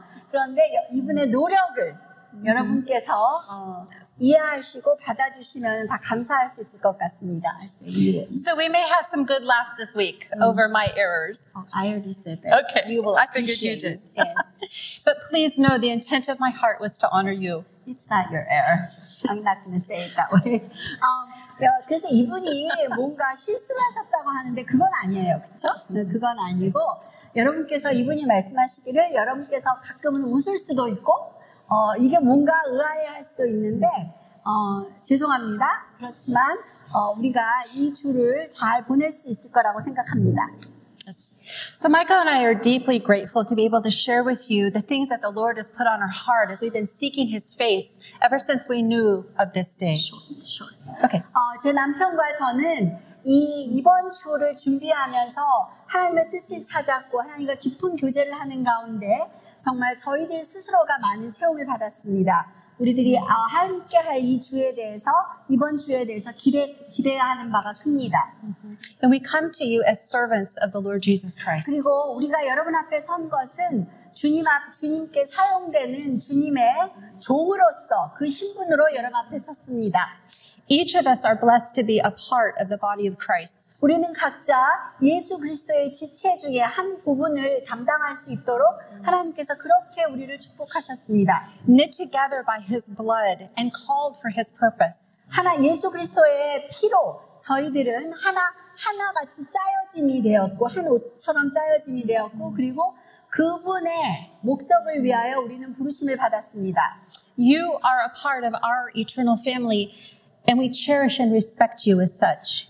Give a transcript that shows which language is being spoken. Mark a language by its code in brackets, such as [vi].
[ko] 그런데 이분의 노력을 여러분께서 이해하시고 받아주시면 다 감사할 수 있을 것 같습니다. [en] So we may have some good laughs this week over my errors. I already said that. Okay. We will appreciate I figured you did. Yeah. But please know the intent of my heart was to honor you. It's not your error. I'm not going to say it that way. [ko] 그래서 이분이 뭔가 실수하셨다고 하는데 그건 아니에요. 그쵸? 그건 아니고 여러분께서 이분이 말씀하시기를 여러분께서 가끔은 웃을 수도 있고 이게 뭔가 의아해할 수도 있는데 죄송합니다. 그렇지만 우리가 이 주를 잘 보낼 수 있을 거라고 생각합니다. [en] Yes. So Michael and I are deeply grateful to be able to share with you the things that the Lord has put on our heart as we've been seeking His face ever since we knew of this day. Sure. Okay. [ko] 제 남편과 저는 이번 주를 준비하면서 하나님의 뜻을 찾았고 하나님과 깊은 교제를 하는 가운데 정말 저희들 스스로가 많은 체험을 받았습니다. 우리들이 함께 할 이 주에 대해서 이번 주에 대해서 기대하는 바가 큽니다. [en] And we come to you as servants of the Lord Jesus Christ. [ko] 그리고 우리가 여러분 앞에 선 것은 주님께 사용되는 주님의 종으로서 그 신분으로 여러분 앞에 섰습니다. [en] Each of us are blessed to be a part of the body of Christ. [ko] 우리는 각자 예수 그리스도의 지체 중에 한 부분을 담당할 수 있도록 하나님께서 그렇게 우리를 축복하셨습니다. [en] Knit together by His blood and called for His purpose. [ko] 하나 예수 그리스도의 피로 저희들은 하나 같이 짜여짐이 되었고 한 옷처럼 짜여짐이 되었고 그리고 그분의 목적을 위하여 우리는 부르심을 받았습니다. [en] You are a part of our eternal family. And we cherish and respect you as such.